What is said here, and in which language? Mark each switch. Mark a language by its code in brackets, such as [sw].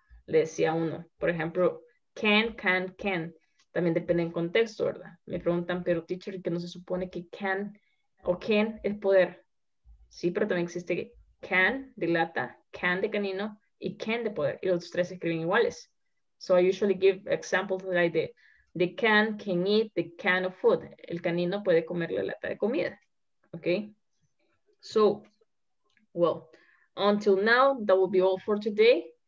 [es] Le decía uno, por ejemplo, can, también depende del contexto, ¿verdad? Me preguntan, pero teacher, ¿qué no se supone que can o can es poder? Sí, pero también existe can de lata, can de canino y can de poder, y los tres se escriben iguales. [en] So I usually give examples like the can eat the can of food. [es] El canino puede comer la lata de comida. [en] Okay. So, well, until now, that will be all for today.